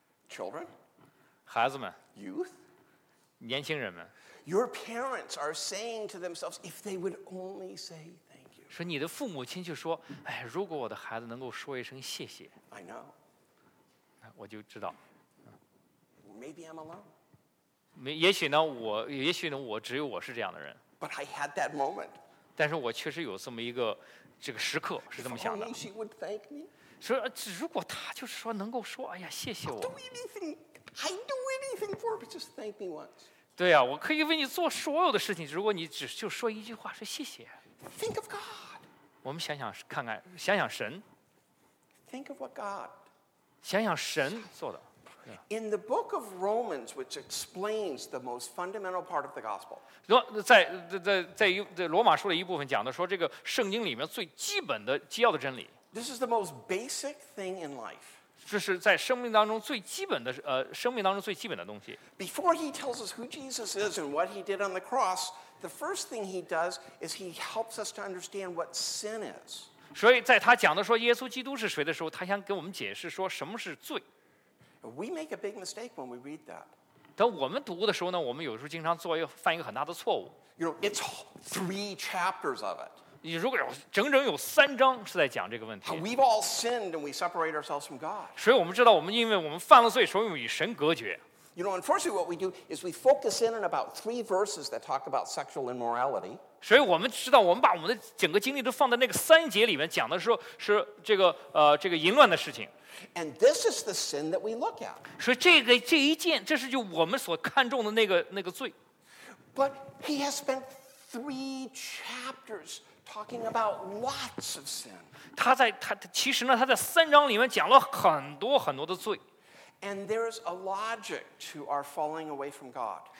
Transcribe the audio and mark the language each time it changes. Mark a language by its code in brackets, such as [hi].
[en] Children. [zh] 孩子们。 [en] Youth. [zh] 年轻人们。 [en] Your parents are saying to themselves, "If they would only say thank you." [zh] 说你的父母亲就说，哎，如果我的孩子能够说一声谢谢。 [en] I know. [zh] 我就知道。 [en] Maybe I'm alone. [zh] 也许呢，我只有我是这样的人。 [en] But I had that moment. [zh] 但是我确实有这么一个这个时刻是这么想的。 [en] If only she would thank me. [zh] 说如果她就是说能够说，哎呀，谢谢我。 [en] I'd do anything for her, but just thank me once. [zh] 对呀、啊，我可以为你做所有的事情，如果你只就说一句话，说谢谢。 [en] Think of God。 [zh] 我们想想看看，想想神。 [en] Think of what God。 [zh] 想想神做的。 [en] In the book of Romans, which explains the most fundamental part of the gospel。 [zh] 在罗马书的一部分讲的说，这个圣经里面最基本的基要的真理。 [en] This is the most basic thing in life。 [zh] 这是在生命当中最基本的，生命当中最基本的东西。 [en] Before he tells us who Jesus is and what he did on the cross, the first thing he does is he helps us to understand what sin is. [zh] 所以在他讲的说耶稣基督是谁的时候，他想给我们解释说什么是罪。 [en] We make a big mistake when we read that. [zh] 当我们读的时候呢，我们有时候经常犯一个很大的错误。 [en] You know, it's three chapters of it. [zh] 你如果有整整有三章是在讲这个问题。 [en] We've all sinned and we separate ourselves from God. [zh] 所以我们知道，我们因为我们犯了罪，所以我们与神隔绝。 [en] You know, unfortunately, what we do is we focus in on about three verses that talk about sexual immorality. [zh] 所以我们知道，我们把我们的整个精力都放在那个三节里面讲的时候，是这个这个淫乱的事情。 [en] And this is the sin that we look at. [zh] 所以这一件，这是就我们所看重的那个罪。 [en] But he has spent three chapters. talking about lots of sin. [zh] 他其实呢，他在三章里面讲了很多很多的罪。 [en] And there is a logic to our falling away from God.